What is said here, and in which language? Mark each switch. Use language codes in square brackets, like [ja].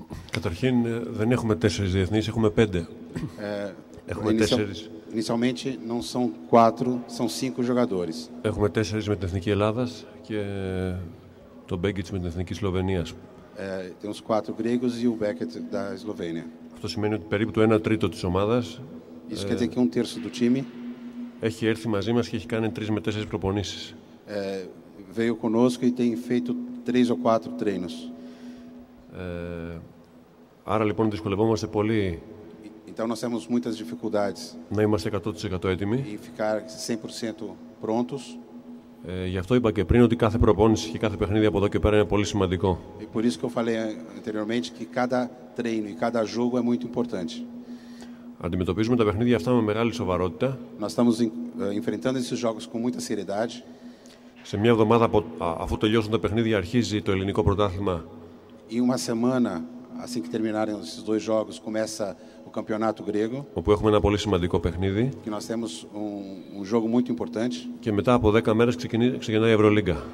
[el] Καταρχήν δεν έχουμε τέσσερις διεθνείς, έχουμε πέντε. Έχουμε τέσσερις. [pt] Inicialmente não são quatro, são cinco jogadores. [el] Έχουμε τέσσερις με την Εθνική Ελλάδας και τον Μπέγκιτς με την Εθνική Σλοβενίας. [pt] Temos quatro gregos e o Beckett da Eslovênia. [el] Αυτό σημαίνει ότι περίπου το ένα τρίτο της ομάδας. [pt] Isso quer dizer que um terço do time. [el] Έχει έρθει μαζί μας και έχει κάνει τρεις με τέσσερις προπονήσεις. [pt] Veio conosco e tem feito três ou quatro treinos. [el] Άρα λοιπόν δυσκολευόμαστε πολύ [pt] então, nós temos muitas dificuldades [el] να είμαστε 100% έτοιμοι [pt] e ficar 100% prontos. [el] Γι' αυτό είπα και πριν ότι κάθε προπόνηση και κάθε παιχνίδι από εδώ και πέρα είναι πολύ σημαντικό. [pt] E por isso que eu falei anteriormente que cada treino e cada jogo é muito importante. [el] Αντιμετωπίζουμε τα παιχνίδια αυτά με μεγάλη σοβαρότητα. [pt] Nós estamos enfrentando esses jogos com muita seriedade. [el] Σε μια εβδομάδα αφού τελειώσουν τα παιχνίδια αρχίζει το ελληνικό πρωτάθλημα. [pt] E uma semana assim que terminarem esses dois jogos começa o campeonato grego. [el] Όπου έχουμε ένα πολύ σημαντικό παιχνίδι. [pt] Que nós temos um jogo muito importante. [el] Και μετά από 10 μέρες ξεκινάει η Ευρωλίγκα.